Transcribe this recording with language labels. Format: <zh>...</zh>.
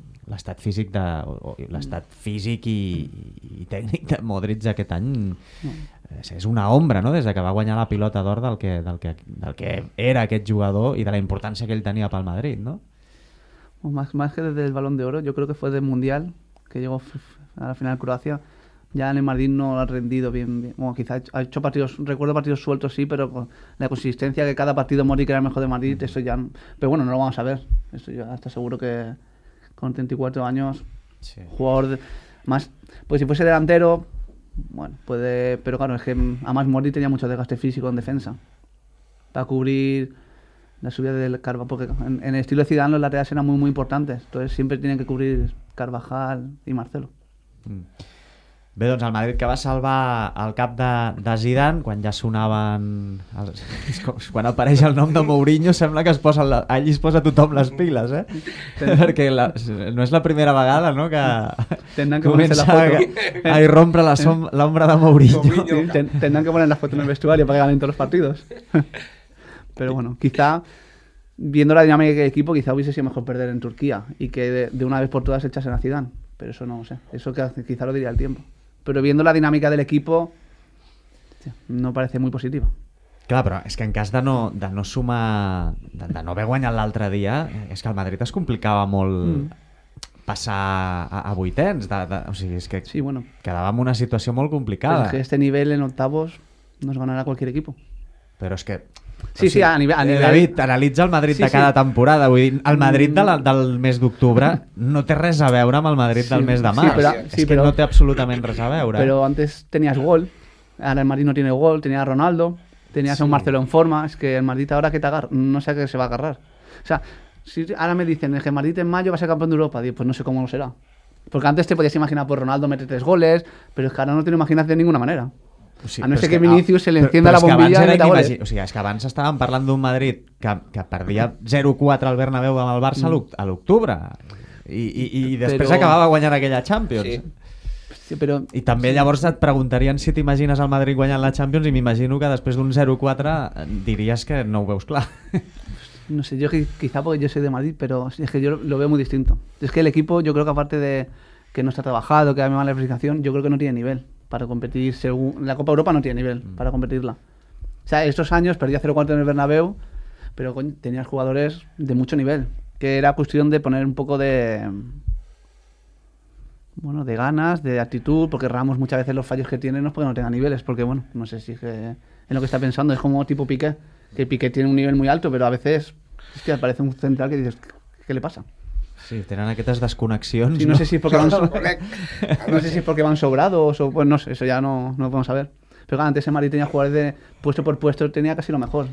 <ca>l'estat físic de l'estat físic i tècnic de Modric aquest any és una ombra, no? Des que va guanyar la pilota d'or del que era aquest jugador i de la importància que ell tenia pel Madrid, no?</ca> <es>Más que desde el Balón de Oro, yo creo que fue del Mundial, que llegó a la final de Croacia. Ya en el Madrid no lo ha rendido bien. Bueno, quizá ha hecho partidos, recuerdo partidos sueltos, sí, pero con la consistencia que cada partido Modric era el mejor de Madrid, eso ya... Pero bueno, no lo vamos a ver. Eso ya está seguro que con 34 años, sí. Jugador de, más... Pues si fuese delantero, bueno, puede... Pero claro, es que además Modric tenía mucho desgaste físico en defensa para cubrir... La subida del Carvajal, porque en el estilo de Zidane los laterales eran muy, muy importantes. Entonces siempre tienen que cubrir Carvajal y Marcelo.</es> <ca>Bé, doncs el Madrid que va salvar el cap de Zidane, quan ja sonaven... quan apareix el nom de Mourinho, sembla que allí es posa tothom les piles, eh? Perquè no és la primera vegada, no?, que comença a irrompre l'ombra de Mourinho.</ca> <es>Tendran que poner la foto en el vestuari</es> <ca>perquè ganen tots els partits.</ca> <es>Pero bueno, quizá, viendo la dinámica del equipo, quizá hubiese sido mejor perder en Turquía y que de una vez por todas echasen a Zidane. Pero eso no lo sé, eso quizá lo diría el tiempo. Pero viendo la dinámica del equipo, no parece muy positivo.</es> <ca>Clar, però és que en cas de no sumar, de no haver guanyat l'altre dia, és que el Madrid es complicava molt passar a vuitens. O sigui, és que sí, bueno, quedava en una situació molt complicada. Però és que este nivell</ca> <es>en octavos</es> <ca>no es ganarà</ca> <es>cualquier equipo.</es> <ca>Però és que... Sí, sí, a nivell... David, analitza el Madrid cada temporada. Vull dir, el Madrid del mes d'octubre no té res a veure amb el Madrid del mes de març. Sí, però no té absolutament res a veure. Però</ca> <es>antes tenías gol.</es> <ca>Ara</ca> <es>el Madrid no tiene gol. Tenías a Ronaldo. Tenías a un Marcelo en forma. Es que el Madrid ahora que te agarra. No sé a qué se va a agarrar. O sea, si ahora me dicen que el Madrid en mayo va a ser campeón de Europa. Digo, pues no sé cómo lo será. Porque antes te podías imaginar por Ronaldo meter 3 goles. Pero es que ahora no te lo imaginas de ninguna manera.</es> <ca>O sigui,</ca> <es>a no ser que Vinícius se li encienda la bombilla i meta goles.</es> <ca>O sigui, és que abans estàvem parlant d'un Madrid que perdia 0-4 al Bernabéu amb el Barça a l'octubre i després però... acabava guanyant aquella Champions. Sí. Sí, però... I també llavors et preguntarien si t'imagines el Madrid guanyant la Champions i m'imagino que després d'un 0-4 diries que no ho veus clar.</ca> <es>No sé, jo quizá porque yo soy de Madrid, pero es que yo lo veo muy distinto. Es que el equipo, yo creo que aparte de que no está trabajado, que da mala explicación, yo creo que no tiene nivel para competir. Según la Copa Europa no tiene nivel para competirla. O sea, estos años perdía 0-4 en el Bernabéu, pero tenías jugadores de mucho nivel, que era cuestión de poner un poco de, bueno, de ganas, de actitud, porque Ramos muchas veces los fallos que tiene no es porque no tenga niveles, porque bueno, no sé si es que en lo que está pensando. Es como tipo Piqué, que Piqué tiene un nivel muy alto, pero a veces es que aparece un central que dices, ¿qué le pasa?</es> <ca>Sí, tenen aquestes desconnexions. Sí, no sé si és perquè</ca> <es>van sobrados</es> <ca>o...</ca> <es>Pues no sé, eso ya no lo podemos saber. Pero claro, antes el Madrid tenía jugadores de puesto por puesto, tenía casi lo mejor.</es>